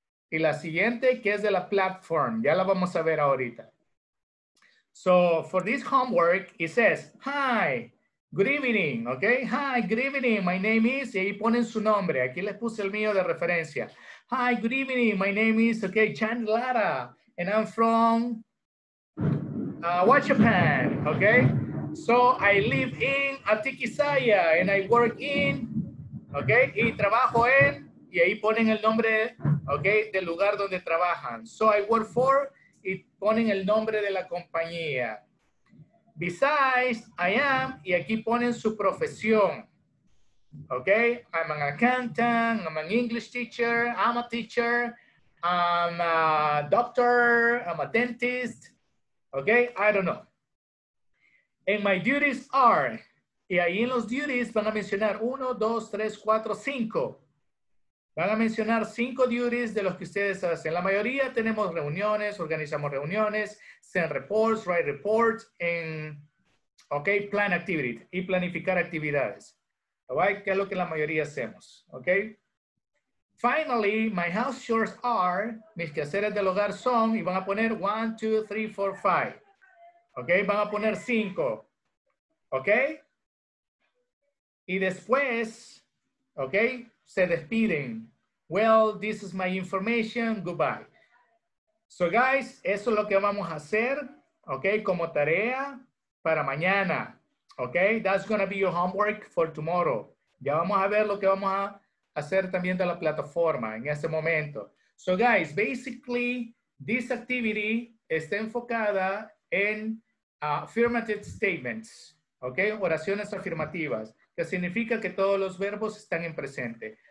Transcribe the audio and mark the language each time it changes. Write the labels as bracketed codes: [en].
[es] Y la siguiente que es de la platform. Ya la vamos a ver ahorita. [en] So for this homework, it says, hi, good evening, okay? Hi, good evening, my name is, [es] y ahí ponen su nombre. Aquí les puse el mío de referencia. [en] Hi, good evening, my name is, okay, Chan Lara, and I'm from Huachapan, okay? So I live in Atikisaya, and I work in, okay? [es] Y trabajo en, y ahí ponen el nombre, okay, del lugar donde trabajan. [en] So I work for, [es] y ponen el nombre de la compañía. [en] Besides, I am, [es] y aquí ponen su profesión. [en] Okay, I'm an accountant, I'm an English teacher, I'm a teacher, I'm a doctor, I'm a dentist. Okay, I don't know. And my duties are, [es] y ahí en los duties van a mencionar [en] 1, 2, 3, 4, 5. [es] Van a mencionar 5 duties de los que ustedes hacen. La mayoría tenemos reuniones, organizamos reuniones, [en] send reports, write reports, and, okay, plan activity, [es] y planificar actividades. Okay, ¿qué es lo que la mayoría hacemos? Okay. [en] Finally, my house chores are, [es] mis quehaceres del hogar son, y van a poner 1, 2, 3, 4, 5. Okay, van a poner 5. Okay. Y después, okay, se despiden. [en] Well, this is my information. Goodbye. [es] So, guys, eso es lo que vamos a hacer, okay, como tarea para mañana. [en] Okay, that's going to be your homework for tomorrow. [es] Ya vamos a ver lo que vamos a hacer también de la plataforma en ese momento. [en] So, guys, basically, this activity [es] está enfocada en [en] affirmative statements. [es] Okay, oraciones afirmativas. Que significa que todos los verbos están en presente.